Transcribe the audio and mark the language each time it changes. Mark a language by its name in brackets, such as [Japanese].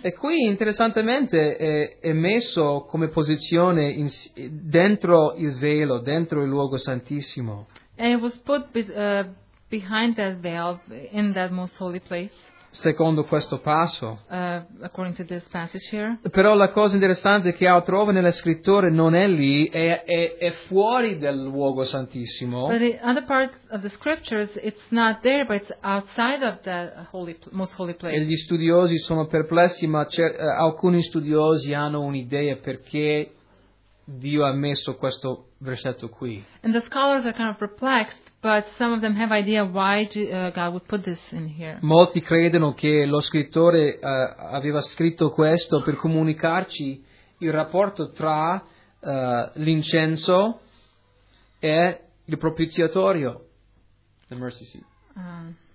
[Italian] E qui, interessantemente, è messo come posizione dentro il velo, dentro il luogo santissimo. [English] And it was put behind that veil in that most holy place. [Italian] Secondo questo passo. [English] According to this passage here. [Italian] Però la cosa interessante che trovo nelle scritture non è lì, è fuori del luogo santissimo. [English] But the other part of the scriptures, it's not there, but it's outside of the most holy place. [Italian] E gli studiosi sono perplessi, ma alcuni studiosi hanno un'idea perché Dio ha messo questo versetto qui. [English] And the scholars are kind of perplexed. But some of them have idea why God would put this in here. [Italian] Molti credono che lo scrittore aveva scritto questo per comunicarci il rapporto tra l'incenso e il propiziatorio, [English] the mercy seat.